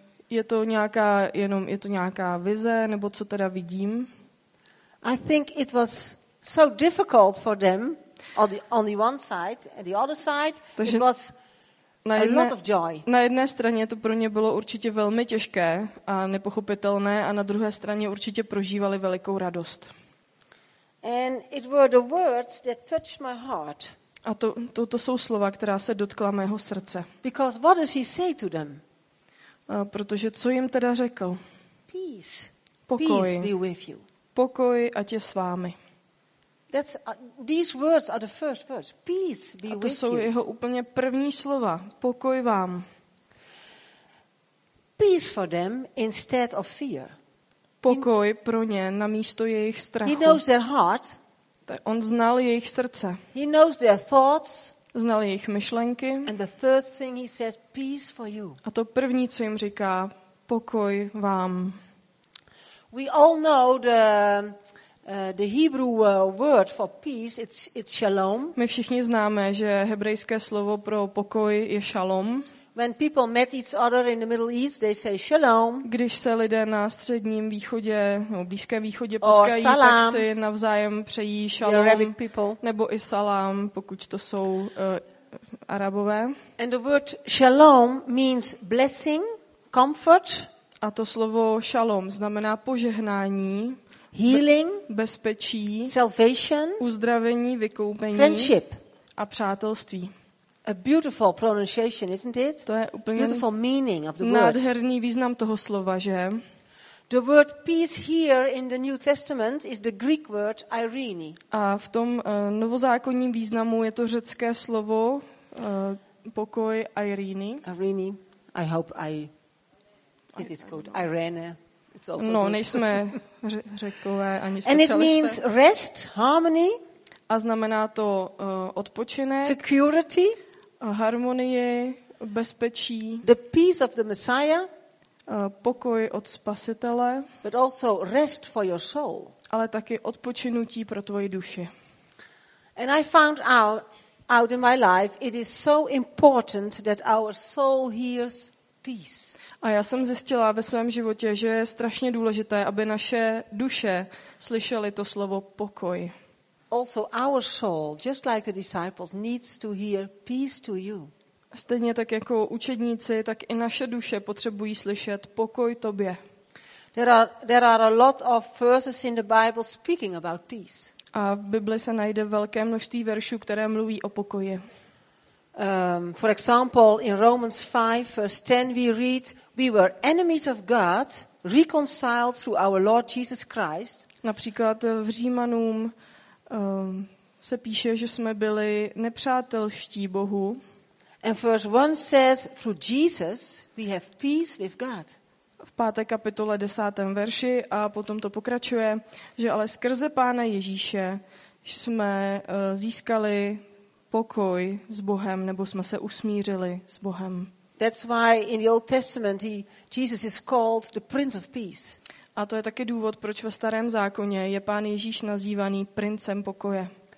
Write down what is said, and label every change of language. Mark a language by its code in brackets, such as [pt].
[cs] Je to nějaká vize, nebo co teda vidím? [en] I think it was so difficult for them on the one side, and the other side it was a lot of joy. [cs] Na jedné straně to pro ně bylo určitě velmi těžké a nepochopitelné, a na druhé straně určitě prožívali velikou radost. [en] And it were the words that touched my heart. [cs] A to jsou slova, která se dotkla mého srdce. [en] Because what does he say to them? [cs] Protože co jim teda řekl? [en] Peace. [cs] Pokoj. [en] Peace be with you. [cs] Pokoj ať je s vámi. [en] These words are the first words. Peace be with you. [cs] A to jsou jeho úplně první slova. Pokoj vám. [en] Peace for them instead of fear. [cs] Pokoj pro ně namísto jejich strachu. [en] He knows their heart. [cs] On znal jejich srdce. [en] He knows their thoughts. [cs] Znal jejich myšlenky. [en] And the first thing he says, peace for you. [cs] A to první, co jim říká, pokoj vám. [en] We all know the Hebrew word for peace, it's shalom. [cs] My všichni známe, že hebrejské slovo pro pokoj je shalom. [en] When people met each other in the Middle East, they say shalom. [cs] Když se lidé na středním východě, no, blízkém východě potkají, tak si navzájem přejí shalom. Nebo i salam, pokud to jsou Arabové. [en] And the word shalom means blessing, comfort. [cs] A to slovo shalom znamená požehnání, [en] healing, [cs] bezpečí, [en] salvation, [cs] uzdravení, vykoupení, [en] friendship. [cs] A přátelství. [en] A beautiful pronunciation, isn't it? [cs] To je úplně [en] beautiful meaning of the word. [cs] Nádherný význam toho slova, že? [en] The word peace here in the New Testament is the Greek word irene. [cs] A v tom novozákonním významu je to řecké slovo pokoj irene. [en] Irene. I hope it is called Irene. It's [cs] also nejsme Řekové ani specialisté. [en] And it means rest, harmony. [cs] A znamená to odpočinek, [en] security, [cs] harmonie, bezpečí, [en] the peace of the Messiah, [cs] pokoj od spasitele, [en] but also rest for your soul. [cs] Ale taky odpočinutí pro tvoji duši. [en] And I found out in my life it is so important that our soul hears peace. [cs] A já jsem zjistila ve svém životě, že je strašně důležité, aby naše duše slyšely to slovo pokoj. [en] Also our soul, just like the disciples, needs to hear peace to you. [cs] Stejně tak jako učedníci, tak i naše duše potřebují slyšet pokoj tobě. [en] There are a lot of verses in the Bible speaking about peace. [cs] A v Bibli se najde velké množství veršů, které mluví o pokoji. [en] For example, in Romans 5, verse 10, we read, we were enemies of God, reconciled through our Lord Jesus Christ. [cs] Například v Římanům se píše, že jsme byli nepřátelští Bohu. [en] And verse 1 says, through Jesus we have peace with God. [cs] V 5. kapitole 10. verši a potom to pokračuje, že ale skrze Pána Ježíše jsme získali pokoj s Bohem, nebo jsme se usmířili s Bohem. [en] That's why in the Old Testament Jesus is called the Prince of Peace. [cs] A to je taky důvod, proč ve Starém zákoně je Pán Ježíš nazývaný princem pokoje.